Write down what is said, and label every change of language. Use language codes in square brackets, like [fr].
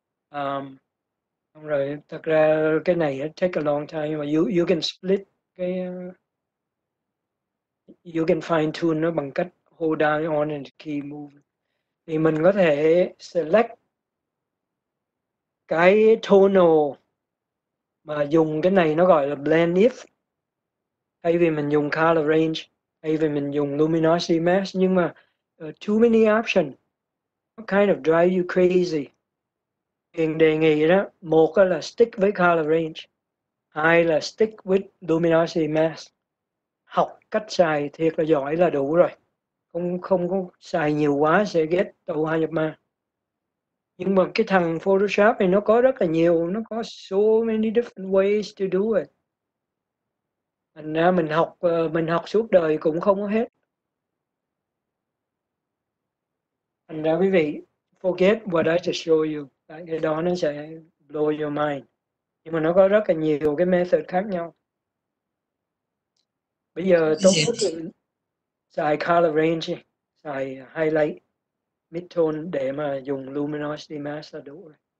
[vi] Không rồi, thật ra cái này [en] it take a long time, [vi] nhưng mà [en] you can split cái you can fine tune [vi] nó bằng cách [en] hold down on and key move. [vi] Thì mình có thể select cái tonal mà dùng cái này, nó gọi là blend if, thay vì mình dùng color range, thay vì mình dùng luminosity mask. Nhưng mà [en] too many option kind of drive you crazy. [vi] Hiện đề nghị đó, một là stick với color range, hai là [en] stick with luminosity mask. [vi] Học cách xài thiệt là giỏi là đủ rồi, không có xài nhiều quá sẽ ghét tàu hoa nhập ma. Nhưng mà cái thằng Photoshop này nó có rất là nhiều, nó có [en] so many different ways to do it. [vi] Thành ra mình học suốt đời cũng không có hết. Thành ra quý vị, [en] forget what I just showed you. [vi] Cái đó nó sẽ [en] blow your mind. [vi] Nhưng mà nó có rất là nhiều cái method khác nhau. Bây giờ tốt nhất xài color range, xài highlight, midtone để mà dùng luminosity mask là đủ rồi.